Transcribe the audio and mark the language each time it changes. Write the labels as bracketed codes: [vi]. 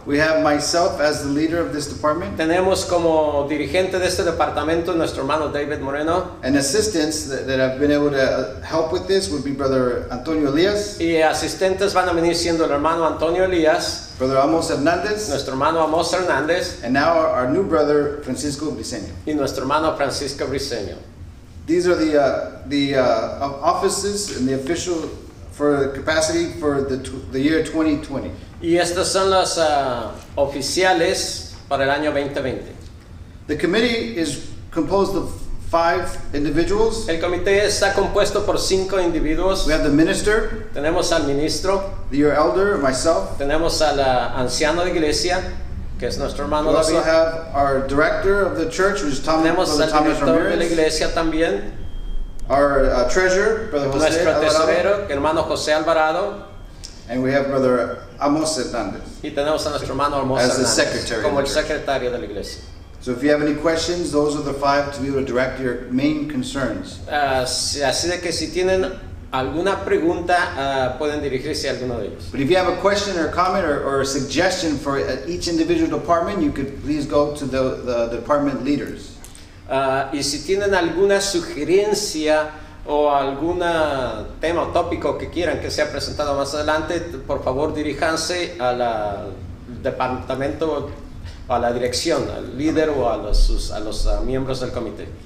[en] We have myself as the leader of this department. [es] Tenemos como dirigente de este departamento nuestro hermano David Moreno. [en] And assistants that have been able to help with this would be Brother Antonio Elias. [es] Y asistentes van a venir siendo el hermano Antonio Elias. [en] Brother Amos Hernandez. [es] Nuestro hermano Amos Hernandez. [en] And now our new brother Francisco Briceño. [es] Y nuestro hermano Francisco Briceño. [en] These are the offices and the official for capacity for the year 2020. [es] Y estas son las oficiales para el año 2020. [en] The committee is composed of 5 individuals. [es] El comité está compuesto por 5 individuos. [en] We have the minister. [es] Tenemos al ministro. [en] Your elder, myself. [es] Tenemos al anciano de iglesia, que es nuestro hermano David. [en] We also have our director of the church, which is Thomas. [es] Tenemos al director de la iglesia también. [en] Our treasurer, Brother Jose Alvarado. [es] Nuestro tesorero, hermano José Alvarado. [en] And we have Brother Amos Hernandez. [es] Y tenemos a nuestro hermano Amos Hernandez. [en] As the secretary. [es] Como el secretario de la iglesia. [en] So if you have any questions, those are the 5 to be able to direct your main concerns. [es] Así de que si tienen alguna pregunta, pueden dirigirse a alguno de ellos. [en] But if you have a question or a comment or a suggestion for each individual department, you could please go to the department leaders. [es] Y si tienen alguna sugerencia o algún tema o tópico que quieran que sea presentado más adelante, por favor diríjanse al departamento a la dirección, al líder o a los miembros del comité.